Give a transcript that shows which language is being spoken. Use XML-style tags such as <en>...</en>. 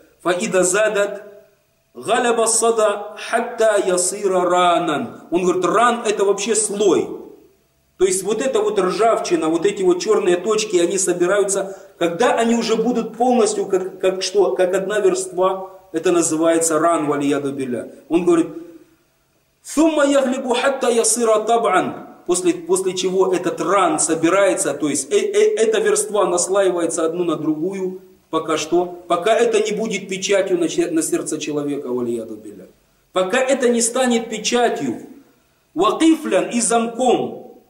<ar>Фаида задат галяба ассада хатта ясира ранан.</ar> <ru>Он говорит, ран – это вообще слой. То есть вот эта вот ржавчина, вот эти вот черные точки, они собираются, когда они уже будут полностью, как что, как одна верства, это называется ран, валияду билля. Он говорит,</ru> <ar>ثم يغلب حتى يصير طبعا.</ar> <ru>После чего этот ран собирается, то есть эта верства наслаивается одну на другую, Пока что? Пока это не будет печатью на сердце человека, Валия Дубиля. Пока это не станет печатью. Вакифлян и замком.</ru>